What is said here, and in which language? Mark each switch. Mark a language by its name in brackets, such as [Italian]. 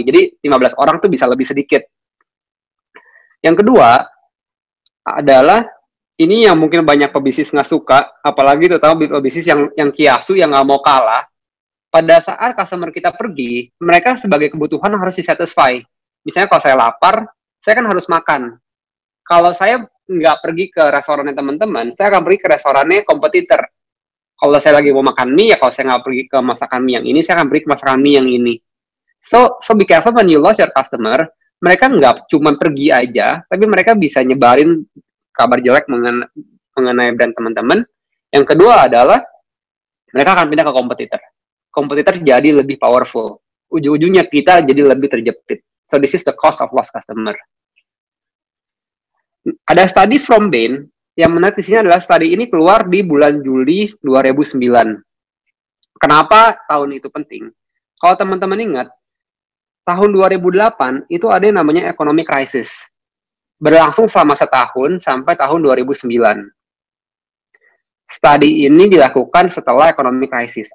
[Indonesian] Jadi 15 orang tuh bisa lebih sedikit. Yang kedua adalah ini yang mungkin banyak pebisnis enggak suka, apalagi terutama pebisnis yang kiasu yang enggak mau kalah. Pada saat customer kita pergi, mereka sebagai kebutuhan harus di-satisfy. Misalnya kalau saya lapar, saya kan harus makan. Kalau saya nggak pergi ke restorannya teman-teman, saya akan pergi ke restorannya kompetitor. Kalau saya lagi mau makan mie, ya kalau saya nggak pergi ke masakan mie yang ini, saya akan pergi ke masakan mie yang ini. [English] So be careful when you lose your customer. [Indonesian] Mereka nggak cuma pergi aja, tapi mereka bisa nyebarin kabar jelek mengenai brand teman-teman. Yang kedua adalah, mereka akan pindah ke kompetitor. Kompetitor jadi lebih powerful. Ujung-ujungnya kita jadi lebih terjepit. [English] So this is the cost of lost customer. [Indonesian] Ada [English] study from Bain [Indonesian] yang menarik di sini adalah studi ini keluar di bulan Juli 2009. Kenapa tahun itu penting? Kalau teman-teman ingat, tahun 2008 itu ada yang namanya economic crisis. Berlangsung selama setahun sampai tahun 2009. Studi ini dilakukan setelah economic crisis.